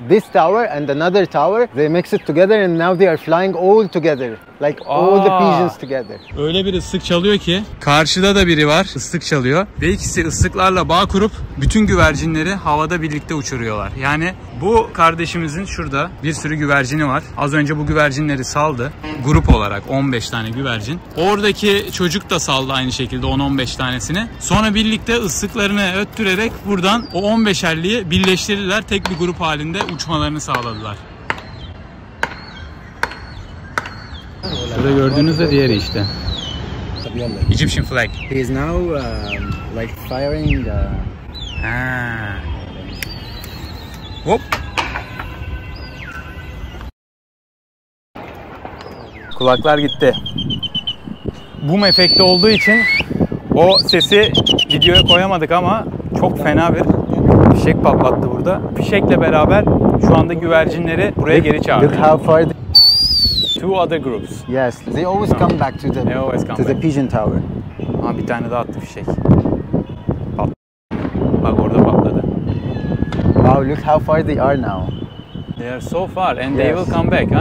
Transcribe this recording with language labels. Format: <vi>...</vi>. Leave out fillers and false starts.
<en>this tower and another tower they mix it together and now they are flying all together. Like all the pigeons together.</en> <tr>Öyle bir ıslık çalıyor ki karşıda da biri var ıslık çalıyor. Ve ikisi ıslıklarla bağ kurup bütün güvercinleri havada birlikte uçuruyorlar. Yani bu kardeşimizin şurada bir sürü güvercini var. Az önce bu güvercinleri saldı. Grup olarak 15 tane güvercin. Oradaki çocuk da saldı aynı şekilde 10-15 tanesini. Sonra birlikte ıslıklarını öttürerek buradan o 15'erliği birleştirdiler. Tek bir grup halinde uçmalarını sağladılar. Şurada gördüğünüz de diğeri işte.</tr> <en>yellow. Egyptian flag. He is now like firing. Whoop.</en> <tr>Kulaklar gitti. Boom efekti olduğu için o sesi videoya koyamadık ama çok fena bir fişek patlattı burada. Fişekle beraber şu anda güvercinleri buraya geri çağırdı.</tr> <en>Look how far the... Two other groups. Yes, they always come back to the pigeon tower.</en> <tr>Aa, bir tane daha attı fişek. Bak orada patladı.</tr> <en>Wow, look how far they are now. They are so far and they will come back, huh?</en>